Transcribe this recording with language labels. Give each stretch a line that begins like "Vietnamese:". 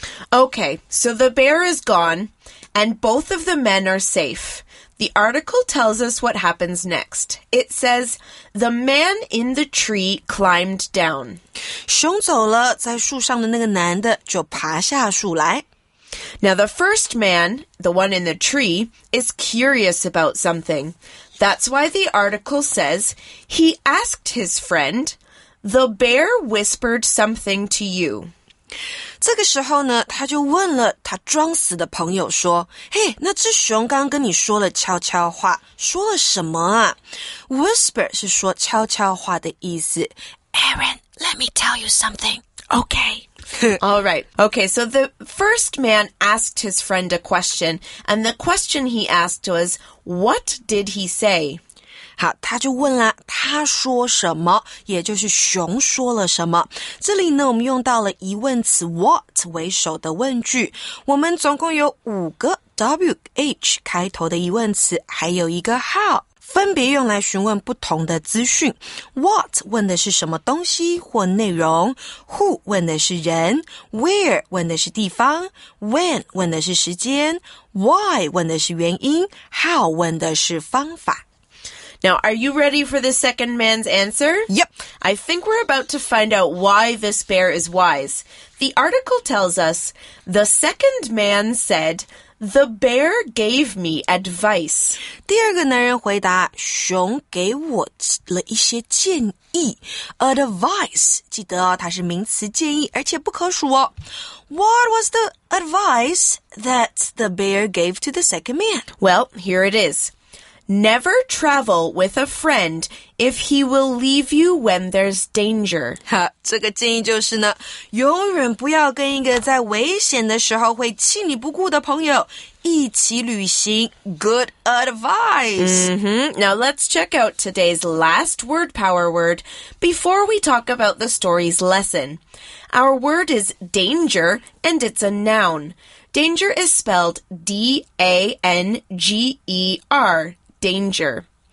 English: Okay, so the bear is gone, and both of the men are safe. The article tells us what happens next. It says, the man in the tree climbed down.
Chinese: 熊走了，在树上的那个男的就爬下树来。
English: Now the first man, the one in the tree, is curious about something. That's why the article says, he asked his friend, the bear whispered something to you.
Chinese: 这个时候呢，他就问了他装死的朋友说：“嘿，那只熊刚跟你说了悄悄话，说了什么啊 ？”Whisper 是说悄悄话的意思。
English: Aaron, let me tell you something. Okay. All right. Okay. So the first man asked his friend a question, and the question he asked was, "What did he say?"
Chinese: 好，他就问了他说什么，也就是熊说了什么。这里呢，我们用到了疑问词 what 为首的问句。我们总共有五个 wh 开头的疑问词，还有一个 how， 分别用来询问不同的资讯。 what 问的是什么东西或内容 ，who 问的是人 ，where 问的是地方 ，when 问的是时间 ，why 问的是原因 ，how 问的是方法。
English: Now, are you ready for the second man's answer? Yep. I think we're about to find out why this bear is wise. The article tells us, the second man said, the bear gave me advice.
Chinese: 第二个男人回答，熊给我了一些建议。 Advice, 记得哦，它是名词建议，而且不可数哦。
English: What was the advice that the bear gave to the second man? Well, here it is. Never travel with a friend if he will leave you when there's danger.
Chinese: 哈，这个建议就是呢，永远不要跟一个在危险的时候会弃你不顾的朋友一起旅行。
English: Good advice. Mm-hmm. Now let's check out today's last word power word before we talk about the story's lesson. Our word is danger and it's a noun. Danger is spelled D-A-N-G-E-R.Danger.